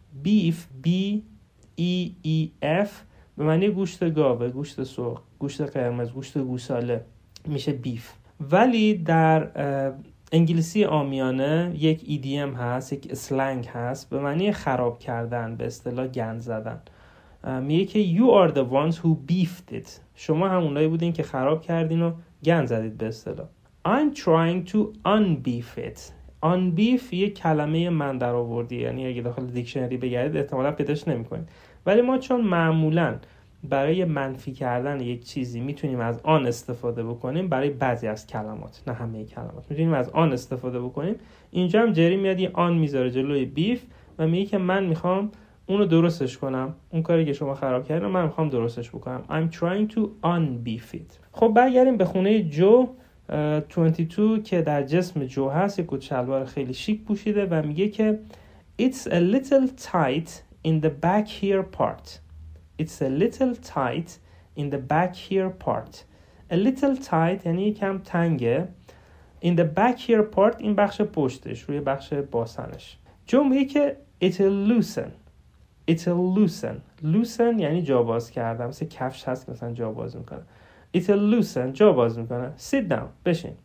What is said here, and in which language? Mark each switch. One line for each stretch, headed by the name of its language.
English: Beef, B-E-E-F
Persian: به معنی گوشت گاوه، گوشت سرخ، گوشت قرمز، گوشت گوساله میشه beef. ولی در انگلیسی عامیانه یک ایدیم هست، یک سلنگ هست به معنی خراب کردن، به اصطلاح گند زدن. میگه که
English: You are the ones who beefed it.
Persian: شما هم اونایی بودین که خراب کردین و گند زدید به اصطلاح.
English: I'm trying to unbeef it.
Persian: Unbeef یه کلمه من در آوردی، یعنی اگه داخل دیکشنری بگردید احتمالا پیداش نمی کنید. ولی ما چون معمولا برای منفی کردن یک چیزی میتونیم از آن استفاده بکنیم، برای بعضی از کلمات، نه همه کلمات، میتونیم از آن استفاده بکنیم. اینجا هم جری میاد یه آن میذاره جلوی بیف و میگه که من میخوام اونو درستش کنم، اون کاری که شما خراب کردین من میخوام درستش بکنم.
English: I'm trying to unbeef it.
Persian: خب برگردیم به خونه جو. 22 که در جسم جو هست یک کت‌شلوار خیلی شیک پوشیده و میگه که
English: It's a little tight in the back here part. It's a little tight in the back here part.
Persian: A little tight یعنی یکم تنگه.
English: In the back here part،
Persian: این بخش پشتش، روی بخش باسنش. جو میگه که
English: It'll loosen. It'll loosen.
Persian: Loosen یعنی جاباز کردم. مثل کفش هست که مثلا جاباز میکنه.
English: It'll loosen.
Persian: جاباز میکنه.
English: Sit down.
Persian: بشین.